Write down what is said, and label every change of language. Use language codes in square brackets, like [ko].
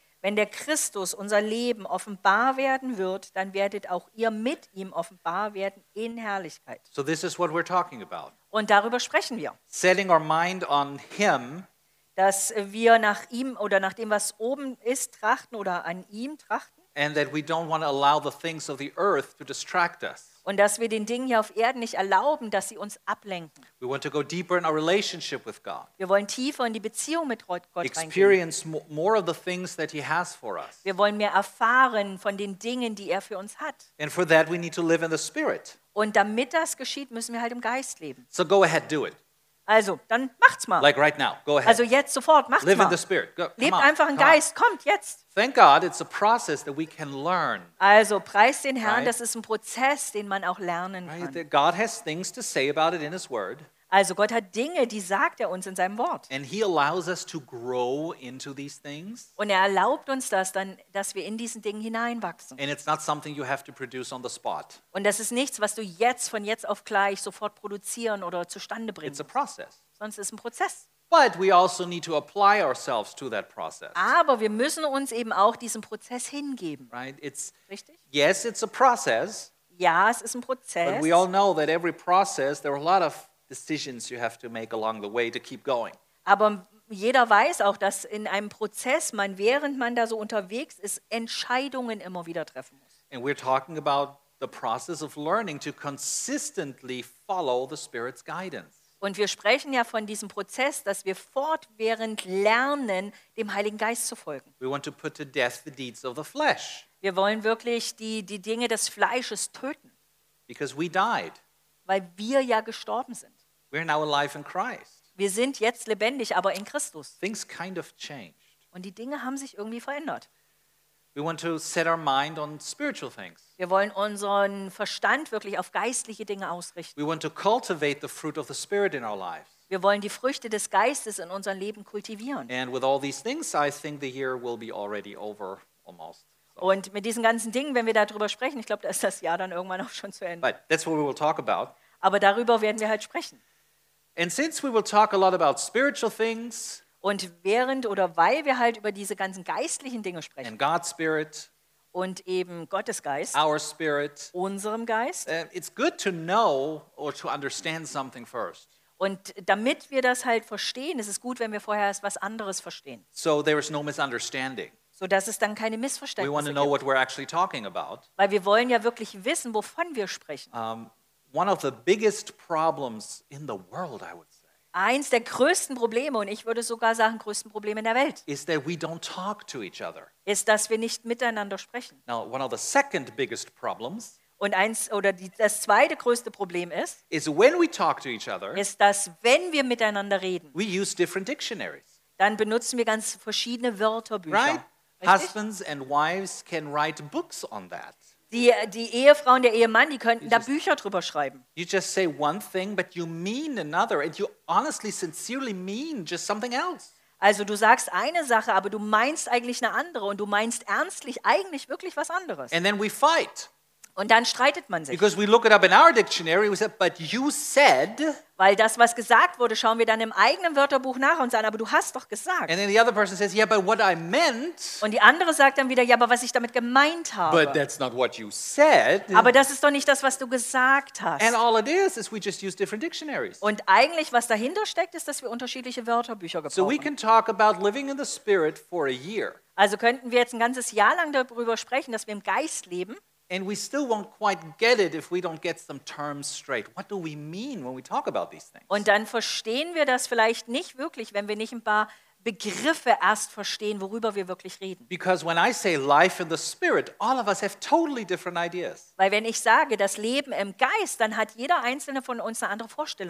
[de] Wenn der Christus, unser Leben, offenbar werden wird, dann werdet auch ihr mit ihm offenbar werden in Herrlichkeit. [en] So this is what we're talking about. [de] Und darüber sprechen wir. [en] Setting our mind on him, [de] dass wir nach ihm oder nach dem, was oben ist, trachten oder an ihm trachten. [en] And that we don't want to allow the things of the earth to distract us. [de] Und dass wir den Dingen hier auf Erden nicht erlauben, dass sie uns ablenken. [en] We want to go deeper in our relationship with God. [de] Wir wollen tiefer in die Beziehung mit Gott reingehen. [en] Experience more of the things that he has for us. [de] Wir wollen mehr erfahren von den Dingen, die er für uns hat. [en] And for that we need to live in the Spirit. [de] Und damit das geschieht, müssen wir halt im Geist leben. [en] So go ahead, do it. [de] Also, dann macht's mal. [en] Like right now, go ahead. [de] Also jetzt sofort, macht's [en] live [de] mal. [en] In the Spirit. Go, [de] lebt on, einfach im Geist, on. Kommt jetzt. [en] Thank God, it's a process that we can learn. [de] Also preist den Herrn, [en] right? [de] Das ist ein Prozess, den man auch lernen kann. [en] Right? God has things to say about it in his word. [de] Also Gott hat Dinge, die sagt er uns in seinem Wort. [en] And he allows us to grow into these things. [de] Und er erlaubt uns das dann, dass wir in diesen Dingen hineinwachsen. [en] And it's not something you have to produce on the spot. [de] Und das ist nichts, was du jetzt von jetzt auf gleich sofort produzieren oder zustande bringst. [en] It's a process. [de] Sonst ist es ein Prozess. [en] But we also need to apply ourselves to that process. [de] Aber wir müssen uns eben auch diesem Prozess hingeben. [en] Right? It's, [de] richtig? [en] Yes, it's a process. [de] Ja, es ist ein Prozess. [en] But we all know that every process, there are a lot of decisions you have to make along the way to keep going. [de] Aber jeder weiß auch, dass in einem Prozess man, während man da so unterwegs ist, Entscheidungen immer wieder treffen muss. [en] And we're talking about the process of learning to consistently follow the Spirit's guidance. [de] Und wir sprechen ja von diesem Prozess, dass wir fortwährend lernen, dem Heiligen Geist zu folgen. [en] We want to put to death the deeds of the flesh. [de] Wir wollen wirklich die Dinge des Fleisches töten. [en] Because we died. [de] Weil wir ja gestorben sind. [en] We're now alive in Christ. [de] Wir sind jetzt lebendig, aber in Christus. [en] Things kind of changed. [de] Und die Dinge haben sich irgendwie verändert. [en] We want to set our mind on spiritual things. [de] Wir wollen unseren Verstand wirklich auf geistliche Dinge ausrichten. [en] We want to cultivate the fruit of the Spirit in our lives. [de] Wir wollen die Früchte des Geistes in unserem Leben kultivieren. [en] And with all these things, I think the year will be already over almost. [de] Und mit diesen ganzen Dingen, wenn wir darüber sprechen, ich glaube, da ist das Jahr dann irgendwann auch schon zu Ende. [en] But that's what we will talk about. [de] Aber darüber werden wir halt sprechen. [en] And since we will talk a lot about spiritual things, [de] und während oder weil wir halt über diese ganzen geistlichen Dinge sprechen, [en] and God's Spirit, [de] und eben Gottes Geist, [en] our Spirit, [de] unserem Geist, [en] it's good to know or to understand something first. [de] Und damit wir das halt verstehen, ist es gut, wenn wir vorher erst was anderes verstehen. [en] So there is no misunderstanding. [de] So dass es dann keine Missverständnisse gibt. [en] We want to know what we're actually talking about. [de] Weil wir wollen ja wirklich wissen, wovon wir sprechen. [en] One of the biggest problems in the world, I would say. [de] Eins der größten Probleme, und ich würde sogar sagen, größten Probleme in der Welt. [en] Is that we don't talk to each other. [de] Ist, dass wir nicht miteinander sprechen. [en] Now, one of the second biggest problems. [de] Und eins oder das zweite größte Problem ist. [en] Is when we talk to each other. [de] Ist, dass wenn wir miteinander reden. [en] We use different dictionaries. [de] Dann benutzen wir ganz verschiedene Wörterbücher. [en] Right? Husbands and wives can write books on that. [de] Die Ehefrau und der Ehemann, die könnten da Bücher drüber schreiben. [en] You just say one thing, but you mean another, and you honestly, sincerely mean just something else. [de] Also du sagst eine Sache, aber du meinst eigentlich eine andere, und du meinst ernstlich eigentlich wirklich was anderes. [en] And then we fight. [de] Und dann streitet man sich. [en] Because we look it up in our dictionary, we say, but you said. [de] Weil das, was gesagt wurde, schauen wir dann im eigenen Wörterbuch nach und sagen, aber du hast doch gesagt. [en] And then the other person says, yeah, but what I meant. [de] Und die andere sagt dann wieder, ja, aber was ich damit gemeint habe. [en] But that's not what you said. [de] Aber das ist doch nicht das, was du gesagt hast. [en] And all it is we just use different dictionaries. [de] Und eigentlich, was dahinter steckt, ist, dass wir unterschiedliche Wörterbücher gebrauchen. [en] So we can talk about living in the Spirit for a year. [de] Also könnten wir jetzt ein ganzes Jahr lang darüber sprechen, dass wir im Geist leben. [en] And we still won't quite get it if we don't get some terms straight. What do we mean when we talk about these things? [de] Und dann verstehen wir das vielleicht nicht wirklich, wenn wir nicht ein paar Begriffe erst verstehen, worüber wir wirklich reden. [en] Because when I say life in the Spirit, all of us have totally different ideas. [de] Weil wenn ich sage das Leben im Geist, dann hat jeder einzelne von uns eine andere Vorstellung.